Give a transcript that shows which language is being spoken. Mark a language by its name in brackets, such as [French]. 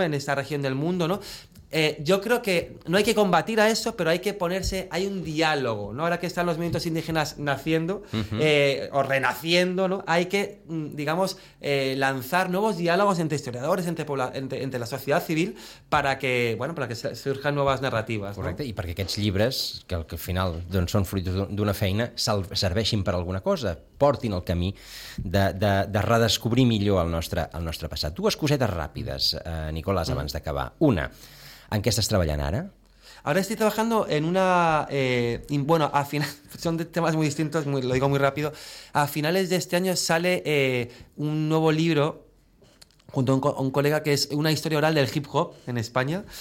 [Spanish] En esta región del mundo, ¿no? Yo creo que no hay que combatir a eso, pero hay que ponerse, hay un diálogo, ¿no? Ahora que están los movimientos indígenas naciendo, uh-huh, o renaciendo, ¿no? Hay que, digamos, lanzar nuevos diálogos entre historiadores, entre la sociedad civil, para que surjan nuevas narrativas. [Catalan] Correcte, [Spanish] ¿no? [Catalan] I perquè aquests llibres, que al final doncs, són fruit d'una feina, serveixin per alguna cosa, portin el camí de redescobrir millor el nostre passat. Dues cosetes ràpides, Nicolás, abans d'acabar. [Spanish] Una, ¿en qué estás trabajando ahora? Ahora estoy trabajando en una... al final... Son de temas muy distintos, lo digo muy rápido. A finales de este año sale un nuevo libro junto a un colega que es una historia oral del hip hop en España.